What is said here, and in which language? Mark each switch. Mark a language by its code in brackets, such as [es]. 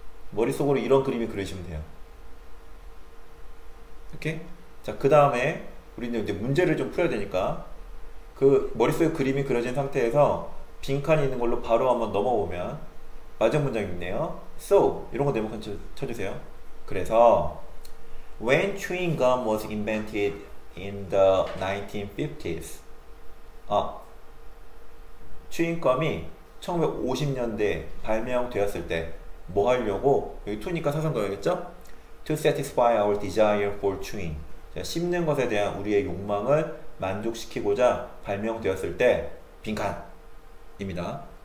[ko] 머릿속으로 이런 그림이 그리시면 돼요. 오케이? 자, 그 다음에 우리는 이제 문제를 좀 풀어야 되니까 그 머릿속에 그림이 그려진 상태에서 빈칸이 있는 걸로 바로 한번 넘어보면 마지막 문장이 있네요. So, 이런 거 네모칸 쳐주세요. 그래서 [en] When chewing gum was invented in the 1950s. [ko] 아, 추인껌이 1950년대 발명되었을 때뭐 하려고? 여기 2니까 사선 거였겠죠? [en] To satisfy our desire for chewing. [ko] 씹는 것에 대한 우리의 욕망을 만족시키고자 발명되었을 때 빈칸입니다.